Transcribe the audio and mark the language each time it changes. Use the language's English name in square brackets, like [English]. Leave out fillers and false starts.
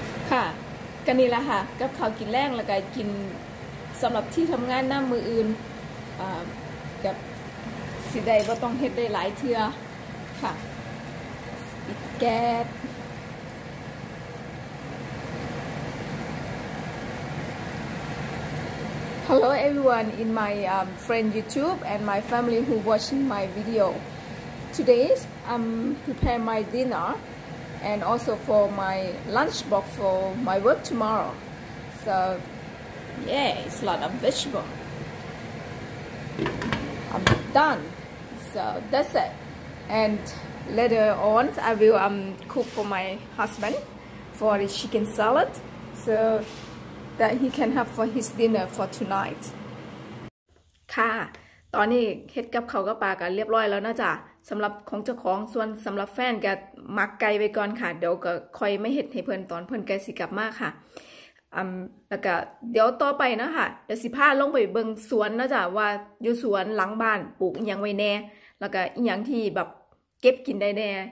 [Northeastern Thai] ค่ะก็นี่ละค่ะกับข้าวกินแรงแล้วก็กินสำหรับที่ทำงานหน้ามืออื่นกับสิได้บ่ต้องเฮ็ดได้หลายเทื่อค่ะอีกแก๊ส [English] Hello everyone in my friend YouTube and my family who watching my video. Today I'm prepare my dinner and also for my lunchbox for my work tomorrow. So yeah, it's a lot of vegetable. I'm done. So that's it. And later on I will cook for my husband for the chicken salad. So. That he can have for his dinner for tonight. [Northeastern Thai] ค่ะตอนนี้เฮ็ดกับเขากับปลากันเรียบร้อยแล้วนะจ๊ะสำหรับของเจ้าของส่วนสำหรับแฟนก็หมักไก่ไว้ก่อนค่ะเดี๋ยวก็คอยไม่เฮ็ดให้เพิ่นตอนเพิ่นแกสิกลับมาค่ะ แล้วก็เดี๋ยวต่อไปนะค่ะเดี๋ยวสิพาลงไปเบิ่งสวนนะจ๊ะว่าอยู่สวนหลังบ้านปลูกอีหยังไว้แน่แล้วก็อีหยังที่แบบเก็บกินได้แน่